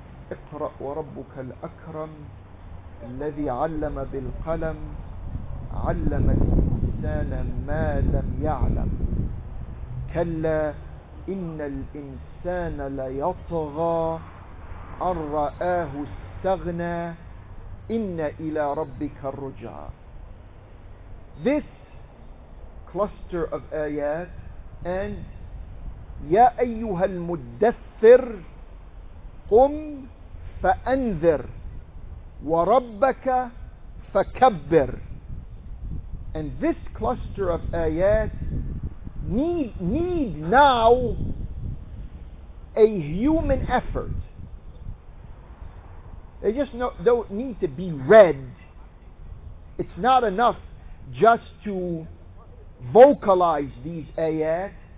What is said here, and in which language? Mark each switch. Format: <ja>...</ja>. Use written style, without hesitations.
<ar>Iqra wa rabbuka al-akram, الذي علم بالقلم علم الإنسان ما لم يعلم كلا إن الإنسان ليطغى أن رآه استغنى إن إلى ربك الرجعى.</ar> <en>This cluster of ayat and</en> <ar>يا أيها المدثر قم فأنذر وَرَبَّكَ فَكَبِّرْ.</ar> <en>And this cluster of ayat need now a human effort. They just don't need to be read. It's not enough just to vocalize these ayat.</en>